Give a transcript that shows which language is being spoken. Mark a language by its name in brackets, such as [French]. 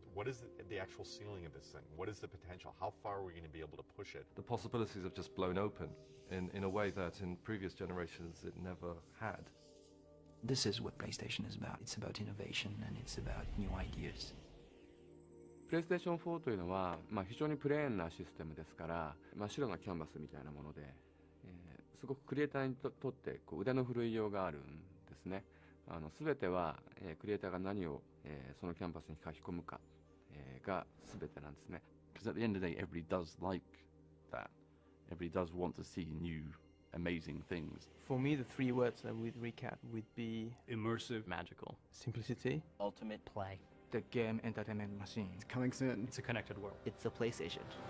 [English] What is the actual ceiling of this thing? What is the potential? How far are we going to be able to push it? The possibilities have just blown open in a way that in previous generations it never had. This is what PlayStation is about. It's about innovation and it's about new ideas. [Japanese] PlayStation 4 というのは、まあ、非常にプレーンなシステムですから、まあ、白のキャンバスみたいなもので、すごくクリエイターに とってこう腕の振るいようがあるんですね。あの全ては、クリエイターが何を、そのキャンバスに書き込むか、が全てなんですね。 [English] Because at the end of the day, everybody does like that. Everybody does want to see new amazing things. For me, the three words that we'd recap would be immersive, magical, simplicity, ultimate play, the game entertainment machine. It's coming soon. It's a connected world. It's a PlayStation.